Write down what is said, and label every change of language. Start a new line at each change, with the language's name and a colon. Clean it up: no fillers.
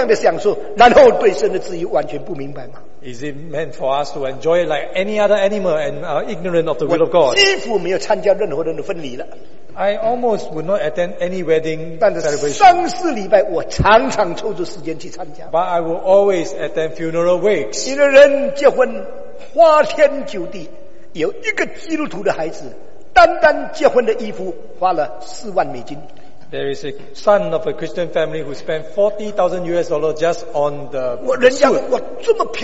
Chinese: 让我们像动物一样的生活，像动物一样的享受，然后对神的旨意完全不明白吗?
English: Is it meant for us to enjoy it like any other animal and are ignorant of the will of God?
Chinese: 我几乎没有参加任何人的婚礼了。
English: I almost would not attend any wedding celebration.
Chinese: 但是三四礼拜我常常抽出时间去参加。
English: But I will always attend funeral wakes.
Chinese: 一个人结婚花天酒地，有一个基督徒的孩子单单结婚的衣服花了40,000美金。
English: There is a son of a Christian family who spent $40,000 just on the suit.